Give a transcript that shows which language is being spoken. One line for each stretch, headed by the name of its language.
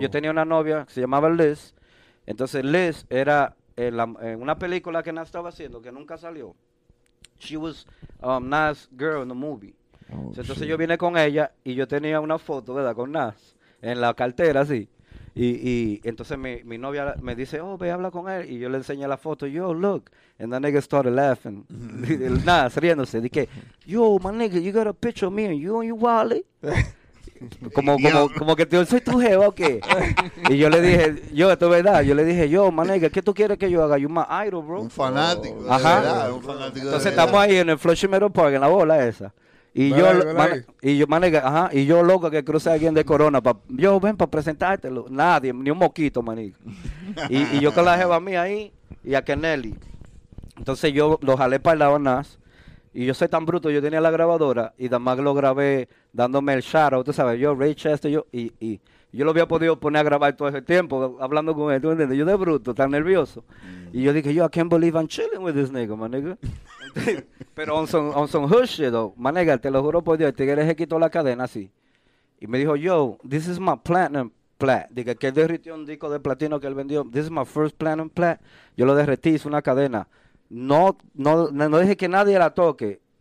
Spanish: Yo tenía una novia que se llamaba Liz. Entonces Liz era en una película que Nas estaba haciendo que nunca salió.
English: She was Nas' girl in the movie. Oh,
Spanish: entonces
English: shit.
Spanish: Yo vine con ella y yo tenía una foto, ¿verdad? Con Nas en la cartera, así. Y entonces mi novia me dice, oh, ve, habla con él. Y yo le enseñé la foto. Yo,
English: look. And the nigga started laughing.
Spanish: El Nas riéndose. Dije,
English: yo, my nigga, you got a picture of me and you and your wallet?
Spanish: como que tío, ¿soy tu jeva o qué? Y yo le dije, yo, esto es verdad. Yo le dije, yo,
English: my nigga,
Spanish: ¿qué tú quieres que yo haga?
English: You my idol, bro.
Spanish: Un fanático. Oh. Ajá. Verdad, un fanático. Entonces estamos ahí en el Flushing Meadows Park, en la bola esa. Y yo loco que cruce a alguien de Corona. Yo ven para presentártelo. Nadie, ni un moquito, manico. Y yo con la jeva mía ahí y a Kennelly. Entonces yo lo jalé para el lado Nas. Y yo soy tan bruto, yo tenía la grabadora y además lo grabé dándome el shout out. Tú sabes, yo, Reychesta, yo. Y, yo lo había podido poner a grabar todo ese tiempo hablando con él, ¿tú entiendes? Yo de bruto, tan nervioso. Y yo dije,
English: yo, I can't believe I'm chilling with this nigga, my nigga. Pero on some hush shit, though.
Spanish: My nigga, te lo juro por Dios, el tigre se quitó la cadena así. Y me dijo, yo,
English: this is my platinum plat.
Spanish: Dije, que derritió un disco de platino que él vendió.
English: This is my first platinum plat.
Spanish: Yo lo derretí, hice una cadena. No dije que nadie la toque.